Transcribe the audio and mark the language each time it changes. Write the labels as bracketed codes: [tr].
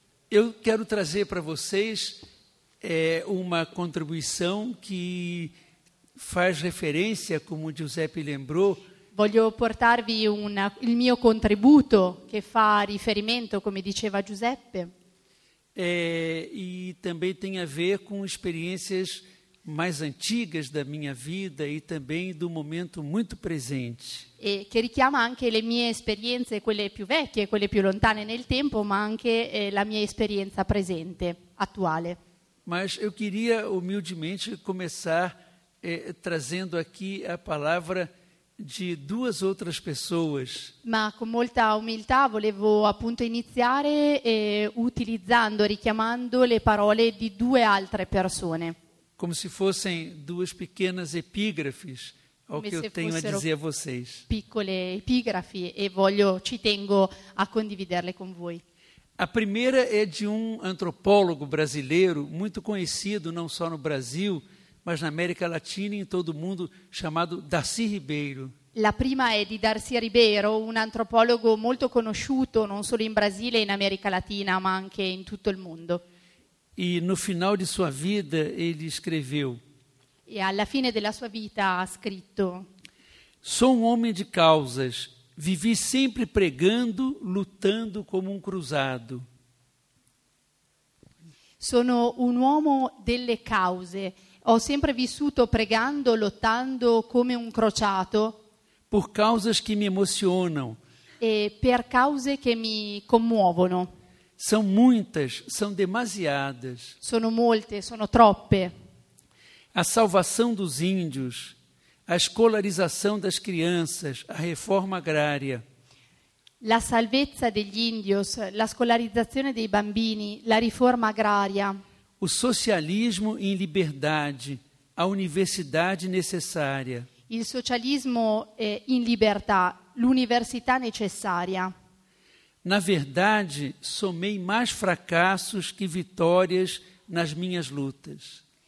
[pt] Eu quero trazer para vocês uma contribuição que faz referência, como Giuseppe lembrou. [it] Voglio portarvi il mio contributo che fa riferimento, come diceva Giuseppe. [pt] E também tem a ver com experiências mais antigas da minha vida e também do momento muito presente. [it] E che richiama anche le mie esperienze, quelle più vecchie, quelle più lontane nel tempo, ma anche la mia esperienza presente, attuale. [pt] Mas eu queria humildemente começar trazendo aqui a palavra de duas outras pessoas. [it] Ma con molta umiltà volevo appunto iniziare utilizzando, richiamando le parole di due altre persone. [pt] Como se fossem duas pequenas epígrafes ao que eu tenho a dizer a vocês. [it] Piccole epigrafi e ci tengo a condividerle con voi. [pt] A primeira é de um antropólogo brasileiro muito conhecido não só no Brasil, mas na América Latina e em todo o mundo, chamado Darcy Ribeiro. [it] La prima è di Darcy Ribeiro, un antropologo molto conosciuto non solo in Brasile e in America Latina, ma anche in tutto il mondo. [pt] E no final de sua vida ele escreveu. [it] E alla fine della sua vita ha scritto. [pt] Sou um homem de causas, vivi sempre pregando, lutando como um cruzado. [it] Sono un uomo delle cause. Ho sempre vissuto pregando, lottando come un crociato. [pt] Por causas que me emocionam. [it] E per cause che mi commuovono. [pt] São muitas, são demasiadas. [it] Sono molte, sono troppe. [pt] A salvação dos índios, a escolarização das crianças, a reforma agrária. [it] La salvezza degli indios, la scolarizzazione dei bambini, la riforma agraria. [pt] O socialismo em liberdade, a universidade necessária. [it] Il socialismo in libertà, l'università necessaria. [pt] Na verdade, somei mais fracassos que vitórias nas minhas lutas.